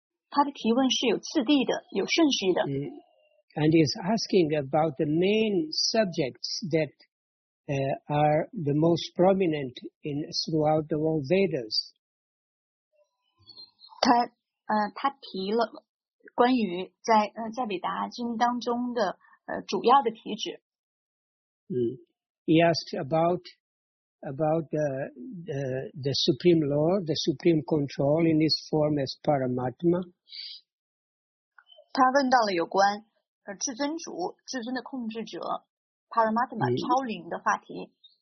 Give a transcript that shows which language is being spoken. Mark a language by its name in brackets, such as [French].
[Chinese] 他的提问是有次第的，有顺序的。 [English] And is asking about the main subjects that, are the most prominent in throughout the whole Vedas. [Chinese] 他提了关于在韦达经当中的主要的题旨。 [English] He asked about the Supreme Lord, the Supreme Control in his form as Paramatma. [Chinese] 他问到了有关至尊主、至尊的控制者 Paramatma 超灵的话题。